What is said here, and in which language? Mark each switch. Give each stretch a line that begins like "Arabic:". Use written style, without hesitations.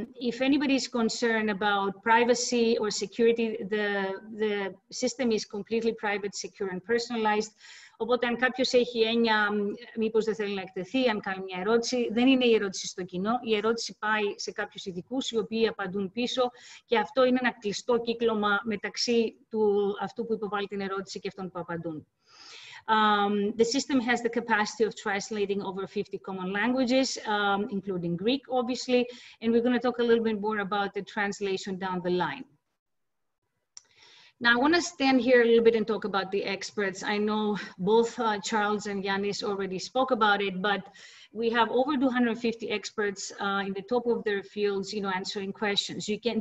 English: If anybody is concerned about privacy or security, the system is completely private, secure, and personalized.
Greek: Οπότε αν κάποιος έχει έννοια, μήπως δεν θέλει να εκτεθεί, αν κάνει μια ερώτηση, δεν είναι η ερώτηση στο κοινό. Η ερώτηση πάει σε κάποιους ειδικούς, οι οποίοι απαντούν πίσω, και αυτό είναι ένα κλειστό κύκλωμα μεταξύ του αυτού που υποβάλλει την ερώτηση και αυτών που απαντούν.
English: The system has the capacity of translating over 50 common languages, including Greek, obviously, and we're going to talk a little bit more about the translation down the line. Now, I want to stand here a little bit and talk about the experts. I know both Charles and Yanis already spoke about it, but we have over 250 experts in the top of their fields, you know, answering questions. You can.